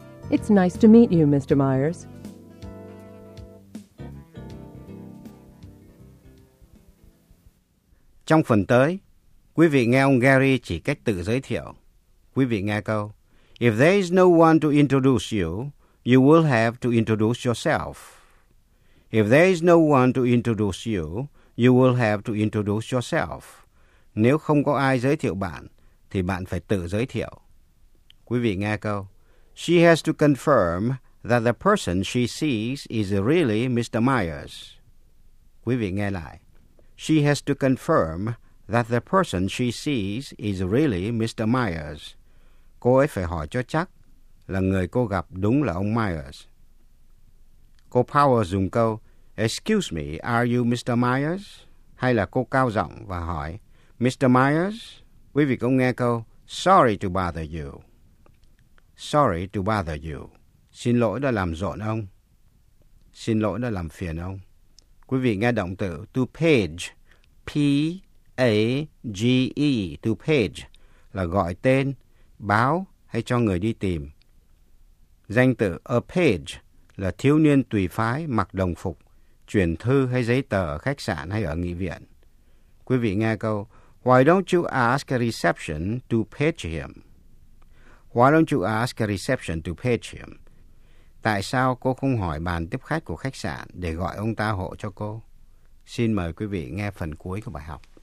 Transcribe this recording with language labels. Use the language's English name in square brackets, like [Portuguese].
[English] It's nice to meet you, Mr. Myers. [Vietnamese] Trong phần tới, quý vị nghe ông Gary chỉ cách tự giới thiệu. Quý vị nghe câu, [English] If there is no one to introduce you, you will have to introduce yourself. If there is no one to introduce you, you will have to introduce yourself. [Vietnamese] Nếu không có ai giới thiệu bạn, thì bạn phải tự giới thiệu. Quý vị nghe câu. [English] She has to confirm that the person she sees is really Mr. Myers. [Vietnamese] Quý vị nghe lại. [English] She has to confirm that the person she sees is really Mr. Myers. [Vietnamese] Cô ấy phải hỏi cho chắc là người cô gặp đúng là ông Myers. Cô Powers dùng câu, [English] Excuse me, are you Mr. Myers? [Vietnamese] Hay là cô cao giọng và hỏi, Mr. Myers? Quý vị cũng nghe câu, [English] Sorry to bother you. Sorry to bother you. [Vietnamese] Xin lỗi đã làm rộn ông. Xin lỗi đã làm phiền ông. Quý vị nghe động từ to page. P-A-G-E, to page. Là gọi tên, báo hay cho người đi tìm. Danh từ a page là thiếu niên tùy phái mặc đồng phục, chuyển thư hay giấy tờ ở khách sạn hay ở nghị viện. Quý vị nghe câu, [English] why don't you ask a reception to page him? Why don't you ask a reception to page him? [Vietnamese] Tại sao cô không hỏi bàn tiếp khách của khách sạn để gọi ông ta hộ cho cô? Xin mời quý vị nghe phần cuối của bài học.